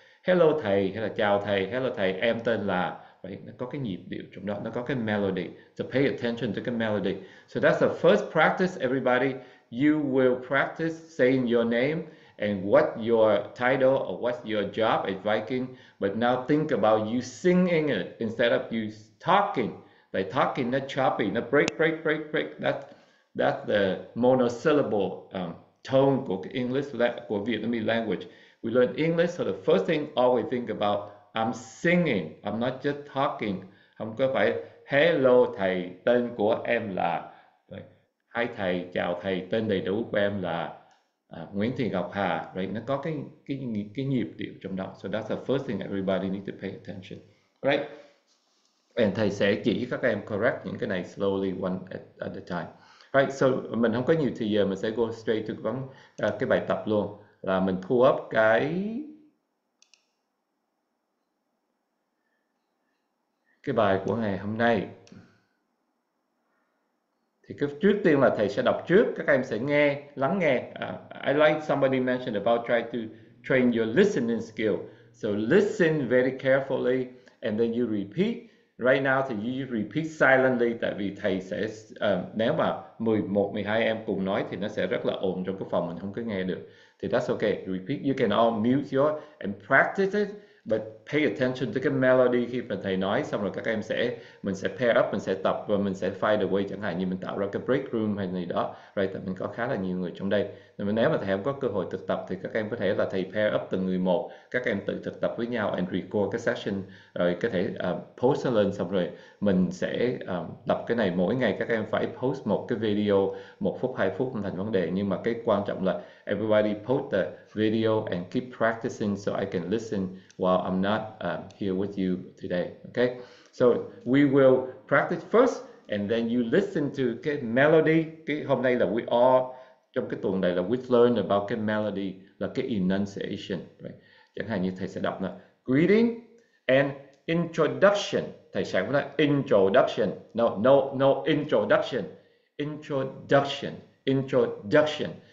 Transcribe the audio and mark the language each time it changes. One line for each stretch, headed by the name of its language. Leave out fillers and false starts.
Vietnamese: Hello thầy, hay là chào thầy, hello thầy, em tên là.
English: Right?
Vietnamese: Nó có cái nhịp điệu trong đó, nó có cái melody.
English: So pay attention to cái melody. So that's the first practice, everybody. You will practice saying your name and what your title or what's your job at Viking. But now think about you singing it instead of you talking. Like talking, not choppy, not break, break, break, break. That's the monosyllable tone của English, của Vietnamese language. We learn English, so the first thing always think about, I'm singing, I'm not just talking.
Vietnamese: Không có phải, hello thầy, tên của em là. Hai thầy, chào thầy, tên đầy đủ của em là Nguyễn Thị Ngọc Hà. Right? Nó có cái nhịp điệu trong đó.
English: So that's the first thing everybody need to pay attention. Right?
Vietnamese: And thầy sẽ chỉ các em correct những cái này
English: slowly one at a time. Right?
Vietnamese: So mình không có nhiều thời giờ, mình sẽ
English: go straight to
Vietnamese: cái bài tập luôn. Là mình pull up cái bài của ngày hôm nay. Thì trước tiên là thầy sẽ đọc trước, các em sẽ nghe, lắng nghe.
English: I like somebody mentioned about try to train your listening skill. So listen very carefully and then you repeat.
Vietnamese: Right now thì
English: you repeat silently,
Vietnamese: tại vì thầy sẽ, nếu mà 11, 12 em cùng nói thì nó sẽ rất là ồn trong cái phòng, mình không có nghe được.
English: Thì that's okay, repeat. You can all mute your and practice it. But pay attention to
Vietnamese: cái melody khi mà thầy nói xong rồi các em sẽ mình sẽ pair up, mình sẽ tập và mình sẽ
English: find a way,
Vietnamese: chẳng hạn như mình tạo ra cái break room hay gì đó. Right, tại mình có khá là nhiều người trong đây. Nên nếu mà thầy không có cơ hội thực tập thì các em có thể là thầy pair up từng người một, các em tự thực tập với nhau and record cái session, rồi có thể post lên, xong rồi mình sẽ tập cái này mỗi ngày. Các em phải post một cái video 1 phút 2 phút không thành vấn đề, nhưng mà cái quan trọng là
English: everybody post the video and keep practicing so I can listen while I'm not here with you today. Okay, so we will practice first and then you listen to cái melody.
Vietnamese: Cái hôm nay là we all trong cái tuần này là
English: we learn about
Vietnamese: cái melody, là cái enunciation. Right? Chẳng hạn như thầy sẽ đọc là
English: greeting and introduction.
Vietnamese: Thầy sẽ nói
English: introduction. No, no, no introduction. Introduction. Introduction.